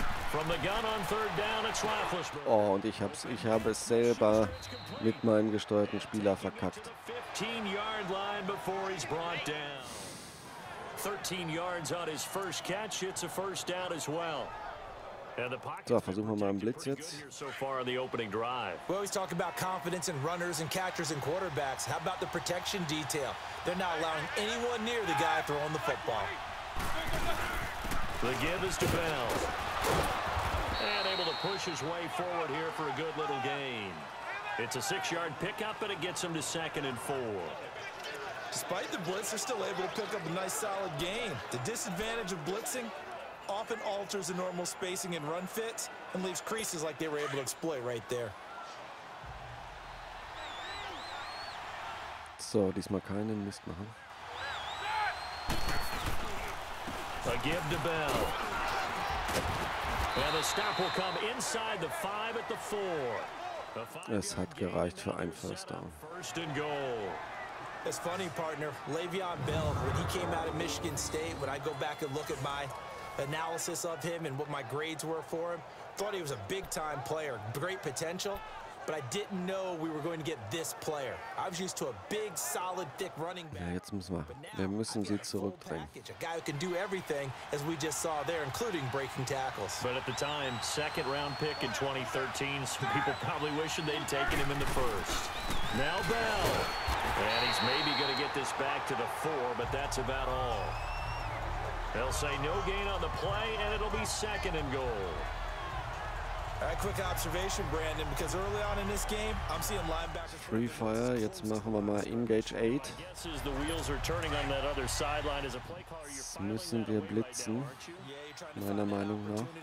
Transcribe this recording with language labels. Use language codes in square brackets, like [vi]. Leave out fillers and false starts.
[en] From the gun on third down, it's Roethlisberger. [de] Oh, und ich habe es selber mit meinem gesteuerten Spieler verkackt. [en] 15-yard line before he's brought down. 13 yards on his first catch. It's a first down as well. [de] So, versuchen wir mal einen Blitz jetzt. [en] So far in the opening drive. We always talk about confidence in runners and catchers and quarterbacks. How about the protection detail? They're not allowing anyone near the guy throwing the football. The give is to Bell. And able to push his way forward here for a good little gain. It's a 6-yard pickup, but it gets him to second and four. Despite the blitz, they're still able to pick up a nice solid gain. The disadvantage of blitzing often alters the normal spacing and run fits and leaves creases like they were able to exploit right there. [de] So, diesmal keinen Mist machen. [en] A give to Bell. And the stop will come inside the five at the four. [de] Es hat gereicht für ein First Down. [en] First and goal. It's funny, partner. Le'Veon Bell, when he came out of Michigan State, when I go back and look at my analysis of him and what my grades were for him, thought he was a big-time player, great potential, but I didn't know we were going to get this player. I was used to a big, solid, thick running back. [de] Ja, jetzt müssen wir. Wir müssen sie zurückdrängen. [en] Package, a guy who can do everything, as we just saw there, including breaking tackles. But at the time, second-round pick in 2013, some people probably wishing they'd taken him in the first. Now Bell. And he's maybe going to get this back to the four, but that's about all. They'll say no gain on the play, and it'll be second and goal. All right, quick observation, Brandon, because early on in this game, I'm seeing linebackers... [de] Free fire, jetzt machen wir mal engage 8. [en] My guess is the wheels are turning on that other sideline as a play caller. [de] Müssen wir blitzen, meiner Meinung nach.